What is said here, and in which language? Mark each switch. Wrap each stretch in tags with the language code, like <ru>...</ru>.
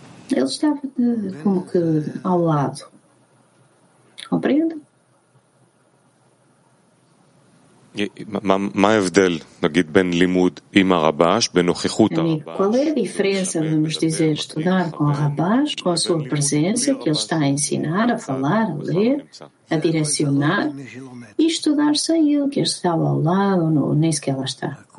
<pt>Ele estava como que ao lado. Compreendo?</pt> <he>מה ההבדל, נגיד, בין לימוד עם הרבש, בנוכחות הרבש?</he> <pt>Qual é a diferença, vamos dizer, estudar com o rabash, com a sua presença, que ele está a ensinar, a falar, a ler, a direcionar, e estudar sem ele, que está ao lado, ou nem sequer lá está.</pt>